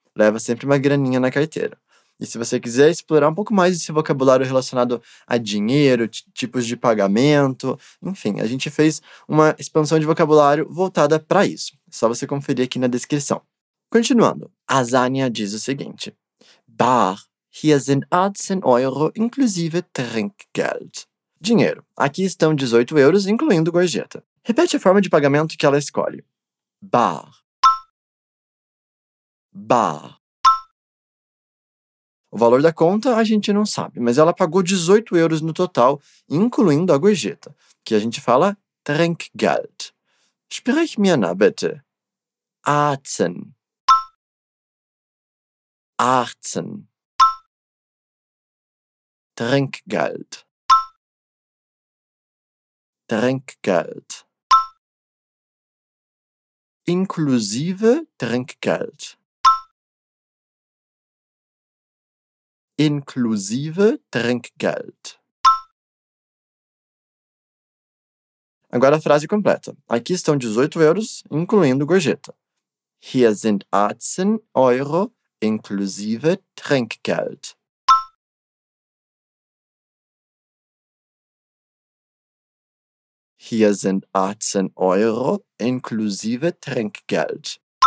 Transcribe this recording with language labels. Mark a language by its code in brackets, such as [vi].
[pt] Leva sempre uma graninha na carteira. E se você quiser explorar um pouco mais esse vocabulário relacionado a dinheiro, tipos de pagamento, enfim, a gente fez uma expansão de vocabulário voltada para isso. É só você conferir aqui na descrição. Continuando, a Zania diz o seguinte. [de] Bar, hier sind 18 Euro inclusive Trinkgeld. [pt] Dinheiro, aqui estão 18 euros incluindo gorjeta. Repete a forma de pagamento que ela escolhe. [de] Bar. Bar. [pt] O valor da conta a gente não sabe, mas ela pagou 18 euros no total, incluindo a gorjeta, que a gente fala Trinkgeld. [de] Sprich mir na, bitte. 18. 18. Trinkgeld. Trinkgeld. Inklusive Trinkgeld. Inklusive Trinkgeld. [pt] Agora a frase completa. Aqui estão 18 euros, incluindo gorjeta. [de] Hier sind 18 euro inklusive Trinkgeld. Hier sind 18 euro inklusive Trinkgeld.